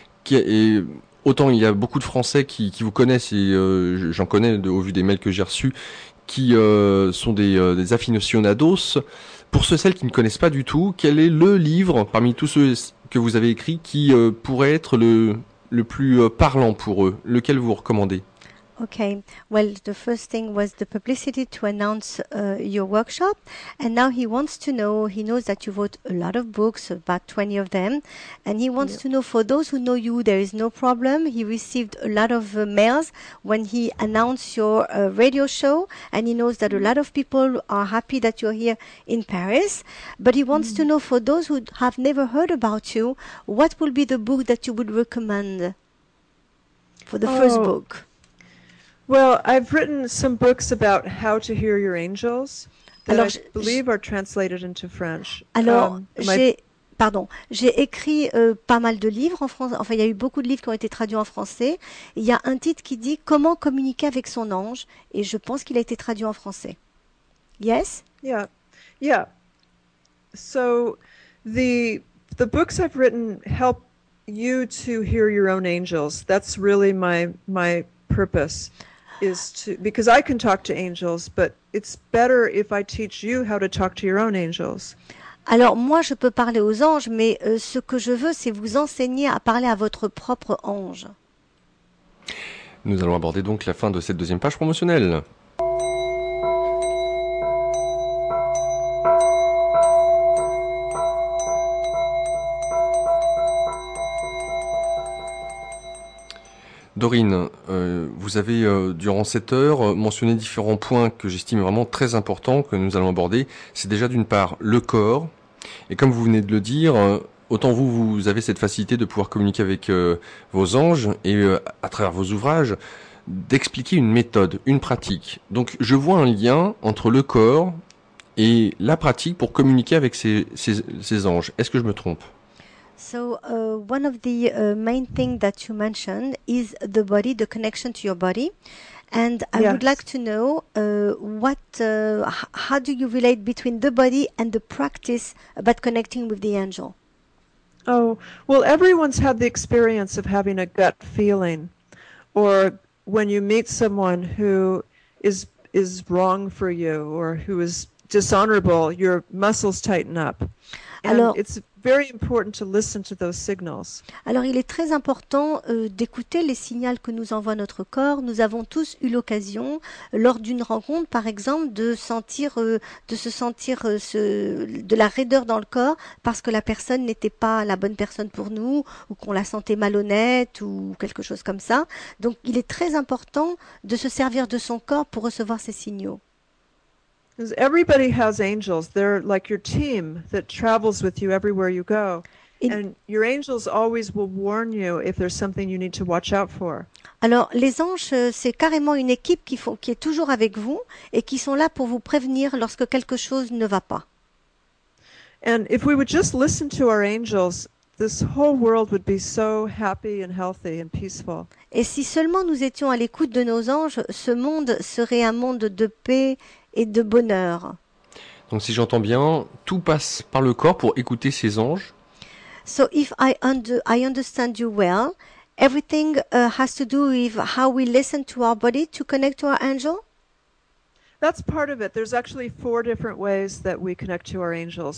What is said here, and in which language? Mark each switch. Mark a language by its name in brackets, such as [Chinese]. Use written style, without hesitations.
[French] Autant il y a beaucoup de Français qui vous connaissent, et j'en connais au vu des mails que j'ai reçus, qui sont des aficionados. Pour ceux et celles qui ne connaissent pas du tout, quel est le livre, parmi tous ceux que vous avez écrits, qui pourrait être le plus parlant pour eux? Lequel vous recommandez? [English] Okay, well, the first thing was the publicity to announce your workshop. And now he wants to know, he knows that you wrote a lot of books, about 20 of them. And he wants to know, for those who know you, there is no problem. He received a lot of mails when he announced your radio show. And he knows that a lot of people are happy that you're here in Paris. But he wants to know, for those who have never heard about you, what will be the book that you would recommend for the first book? Well, I've written some books about how to hear your angels that [French] alors, [English] I believe are translated into French. [French] Alors, j'ai écrit pas mal de livres en français. Enfin, il y a eu beaucoup de livres qui ont été traduits en français. Il y a un titre qui dit « Comment communiquer avec son ange » et je pense qu'il a été traduit en français. [English] Yes? Yeah. So, the books I've written help you to hear your own angels. That's really my purpose. Is to, because I can talk to angels, but it's better if I teach you how to talk to your own angels. [French] Alors moi je peux parler aux anges, mais ce que je veux c'est vous enseigner à parler à votre propre ange. Nous allons aborder donc la fin de cette deuxième page promotionnelle. Dorine, vous avez, durant cette heure, mentionné différents points que j'estime vraiment très importants que nous allons aborder. C'est déjà d'une part le corps, et comme vous venez de le dire, autant vous avez cette facilité de pouvoir communiquer avec vos anges et à travers vos ouvrages, d'expliquer une méthode, une pratique. Donc, je vois un lien entre le corps et la pratique pour communiquer avec ces anges. Est-ce que je me trompe? [English] So, one of the main things that you mentioned is the body, the connection to your body. And I would like to know how do you relate between the body and the practice about connecting with the angel? Oh, well, everyone's had the experience of having a gut feeling, or when you meet someone who is wrong for you or who is dishonorable, your muscles tighten up. [French] Alors, [English] and it's very important to listen to those signals. [French] Alors, il est très important d'écouter les signaux que nous envoie notre corps. Nous avons tous eu l'occasion, lors d'une rencontre, par exemple, de la raideur dans le corps parce que la personne n'était pas la bonne personne pour nous ou qu'on la sentait malhonnête ou quelque chose comme ça. Donc, il est très important de se servir de son corps pour recevoir ces signaux. [English] Because everybody has angels. They're like your team that travels with you everywhere you go. And your angels always will warn you if there's something you need to watch out for. [French] Alors, les anges, c'est carrément une équipe qui est toujours avec vous et qui sont là pour vous prévenir lorsque quelque chose ne va pas. [English] And if we would just listen to our angels, this whole world would be so happy and healthy and peaceful. [French] Et si seulement nous étions à l'écoute de nos anges, ce monde serait un monde de paix et de bonheur. Donc si j'entends bien, tout passe par le corps pour écouter ces anges. [English] So if I understand you well, everything has to do with how we listen to our body to connect to our angel? That's part of it. There's actually four different ways that we connect to our angels.